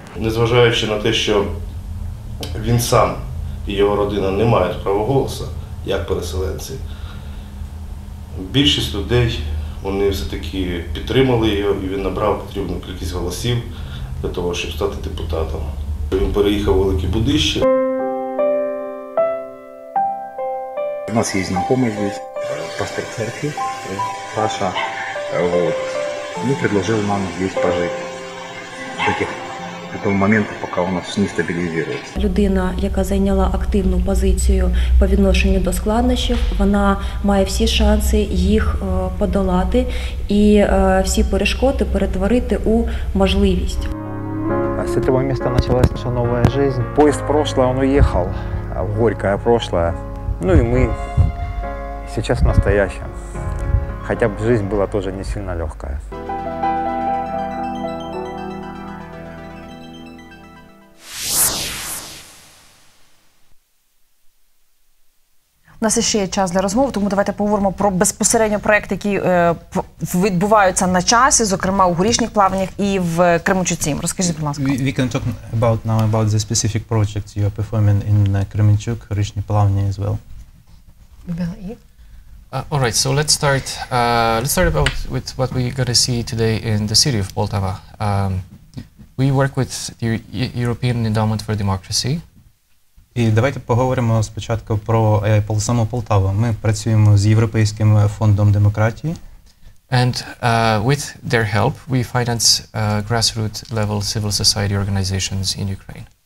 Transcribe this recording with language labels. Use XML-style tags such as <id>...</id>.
<ru>Незважаючи на то, что он сам и его родина не имеют права голоса, как переселенцы, большинство людей вони все-таки поддерживали его, и он набрал нужную количество голосов для того, чтобы стать депутатом. Он переехал в Велике Будище.</ru> <uk>У нас є знайомий тут, пастор церкви, Паша. От. Він предложив нам тут пожити до тих моменту, поки у нас не стабілізується. Людина, яка зайняла активну позицію по відношенню до складнощів, вона має всі шанси їх подолати і всі перешкоди перетворити у можливість. З цього місця почалася наша нова життя. Поїзд пройшло, воно їхав, горьке пройшло.</uk> <ru>Ну и мы сейчас в настоящем. Хотя бы жизнь была тоже не сильно легкая.</ru> <uk>У нас ще є час для розмови, тому давайте поговоримо про безпосередньо проєкт, який відбуваються на часі, зокрема у Горішніх Плавнях і в Кременчуці. Розкажіть, будь ласка.</uk> <en>We can talk about now about the specific project you are performing in Кременчук, Горішні Плавні as well. All right, so let's start about with what we're going to see today in the city of Poltava. We work with the European Endowment for Democracy.</en> <uk>І давайте поговоримо спочатку про саму Полтаву. Ми працюємо з Європейським фондом демократії.</uk> <en>And with their help, we finance grassroots level civil society organizations in Ukraine.</en>